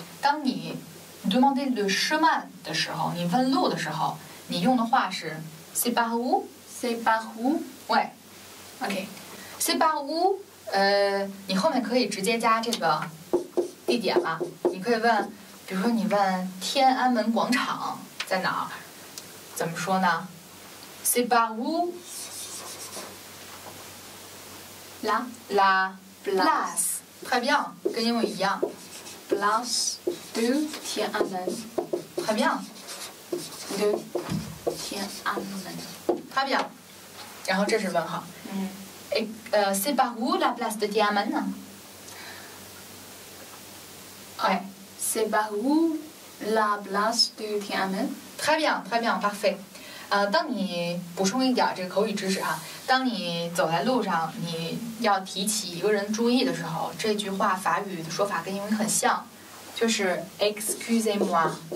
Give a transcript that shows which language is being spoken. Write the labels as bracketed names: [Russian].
[Chinese] 当你 [French] demander le chemin [Chinese] 的时候,你问路的时候,你用的话是 [French] C'est par où? C'est par où? Ouais. OK. C'est par où? [Chinese] 你后面可以直接加这个地点啊。你可以问，比如说你问天安门广场在哪儿？怎么说呢 ？ [French] C'est par où? La la place. Très bien. [Chinese] 跟英文一样。 [French] Place de Tiananmen. Très bien. De Tiananmen. Très bien. [Chinese] 然后这是问号。嗯。 [French] C'est par où la place de Tiananmen? Ouais. C'est par où la place de Tiananmen? Très bien, très bien, parfait. [Chinese] 当你补充一点这个口语知识啊，当你走在路上，你要提起一个人注意的时候，这句话法语的说法跟英文很像，就是 [French] Excusez-moi.